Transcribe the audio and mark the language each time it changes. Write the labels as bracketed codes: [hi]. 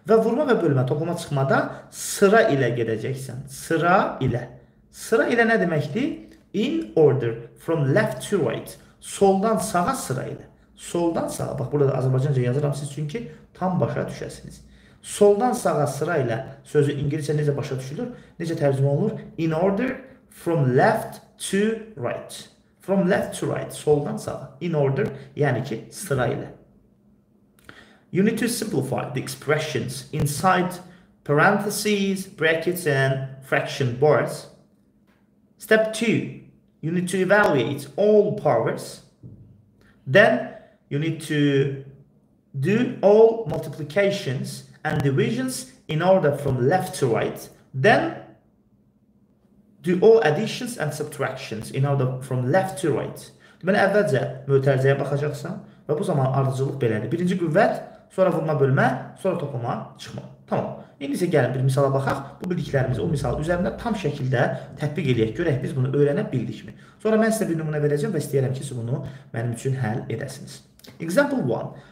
[az] Və vurma və bölmə toplama çıxmada sıra ilə gedəcəksən, sıra ilə. Sıra ilə nə deməkdir? [en] In order, from left to right, [az] soldan sağa sıra ilə. Soldan sağa, bax burada Azərbaycanca yazıram siz çünki tam başa düşəsiniz. Soldan sağa sıra ilə sözü ingiliscə necə başa düşülür, necə tərcümə olunur? [en] In order, from left to right. From left to right, [az] soldan sağa. [en] In order, [az] yəni ki, sıra ilə. [en] You need to simplify the expressions inside parentheses, brackets and fraction bars. Step 2, you need to evaluate all powers. Then you need to do all multiplications and divisions in order from left to right. Then do all additions and subtractions in order from left to right. [az] Deməli, əvvəlcə mötərizəyə baxacaqsan və bu zaman ardıcılıq belədir. Birinci qüvvət, sonra vurma bölmə, sonra toplama çıxma. Tamam. İndi isə gəlin bir misala baxaq. Bu bildiklərimizi o misal üzərində tam şəkildə tətbiq edək. Görək biz bunu öyrənə bildikmi? Sonra mən sizə bir nümunə verəcəm və istəyirəm ki, siz bunu mənim üçün həll edəsiniz. Example 1.